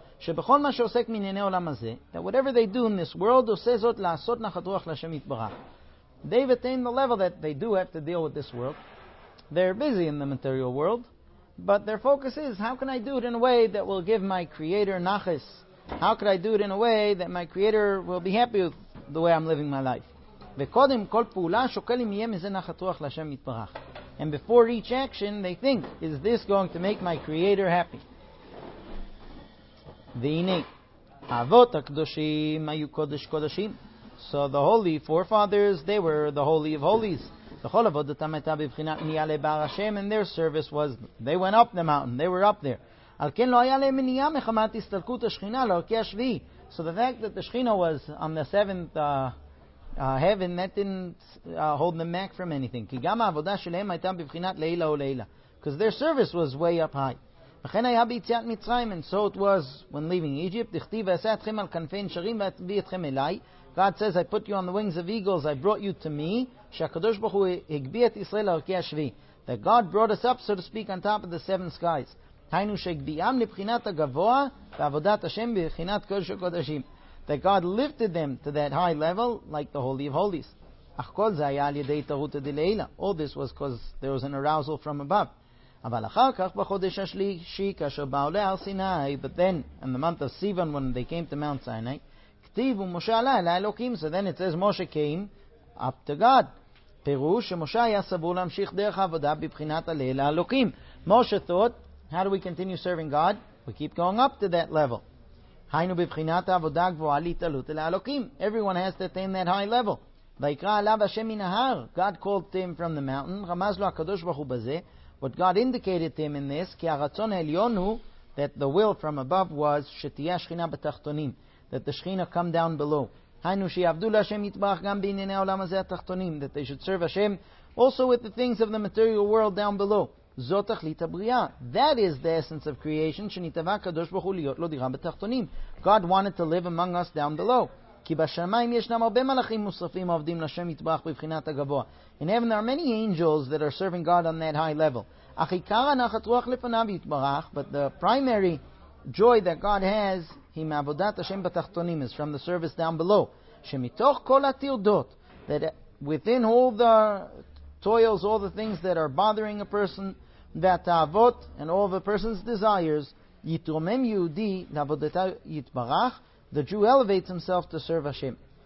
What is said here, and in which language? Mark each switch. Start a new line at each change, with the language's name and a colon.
Hebrew: Shebechol ma sheosek minyanei olam hazeh,
English: that whatever they do in this world,
Hebrew: oseh zot la'asot nachat ruach l'Hashem yitbarach.
English: They've attained the level that they do have to deal with this world. They're busy in the material world, but their focus is, how can I do it in a way that will give my Creator nachas? How could I do it in a way that my Creator will be happy with the way I'm living my life?
Hebrew: וקודם כל פעולה שוקלים יהיה מזה נחת רוח לשם יתברך.
English: And before each action, they think, is this going to make my Creator happy?
Hebrew: והנה, האבות הקדושים היו קודש קודשים.
English: So the holy forefathers, they were the holy of holies.
Hebrew: וכל עבודתם הייתה בבחינת מניעה לבער השם,
English: and their service was, they went up the mountain, they were up there.
Hebrew: על כן לא היה להם מניעה מחמת הסתלקות השכינה לערכי השביעי.
English: So the fact that the Shechina was on the seventh heaven, that didn't hold them back from anything.
Hebrew: כי גם העבודה שלהם הייתה בבחינת לילה או לילה.
English: Because their service was way up high.
Hebrew: וכן היה ביציאת מצרים,
English: and so it was when leaving Egypt.
Hebrew: דכתיב, ועשה אתכם על כנפי נשרים ואתביא אתכם אליי.
English: God says, I put you on the wings of eagles, I brought you to me.
Hebrew: שהקדוש ברוך הוא הגביא את ישראל לערכי השביעי.
English: That God brought us up, so to speak, on top of the seven skies.
Hebrew: היינו שהגביאם לבחינת הגבוה, ועבודת השם בבחינת קודש הקודשים.
English: That God lifted them to that high level, like the Holy of Holies.
Hebrew: אך כל זה היה על ידי תרות הדלילה.
English: All this was because there was an arousal from above.
Hebrew: אבל אחר כך בחודש השלישי, כאשר באו להר סיני,
English: but then, in the month of Sivan, when they came to Mount Sinai,
Hebrew: כתיב ומשה עלה אל האלוקים.
English: So then it says, Moshe came up to God.
Hebrew: פירוש שמשה היה סבור להמשיך דרך העבודה בבחינת הלילה האלוקים.
English: Moshe thought, how do we continue serving God? We keep going up to that level.
Hebrew: היינו בבחינת העבודה הגבוהה להתעלות אל האלוקים.
English: Everyone has to attain that high level.
Hebrew: ויקרא עליו השם מנהר.
English: God called to him from the mountain.
Hebrew: רמז לו הקדוש ברוך הוא בזה.
English: What God indicated to him in this,
Hebrew: כי הרצון העליון הוא,
English: that the will from above was,
Hebrew: שתהיה השכינה בתחתונים.
English: That the Shechina come down below.
Hebrew: היינו שיעבדו להשם יתברך גם בענייני העולם הזה התחתונים.
English: That they should serve Hashem also with the things of the material world down below.
Hebrew: זאת תכלית הבריאה.
English: That is the essence of creation
Hebrew: שנתבע הקדוש ברוך הוא להיות לו דירה בתחתונים.
English: God wanted to live among us down below.
Hebrew: כי בשמיים ישנם הרבה מלאכים מוספים העובדים לשם יתברך בבחינת הגבוה.
English: In heaven there are many angels that are serving God on that high level.
Hebrew: אך עיקר הנחת רוח לפניו יתברך,
English: but the primary joy that God has
Hebrew: היא מעבודת השם בתחתונים,
English: is from the service down below.
Hebrew: שמתוך כל הטרדות,
English: that within all the toils, all the things that are bothering a person, that ta'avot, and all of a person's desires,
Hebrew: yitromem yehudi la'avodata yitbarach,
English: the Jew elevates himself to serve Hashem.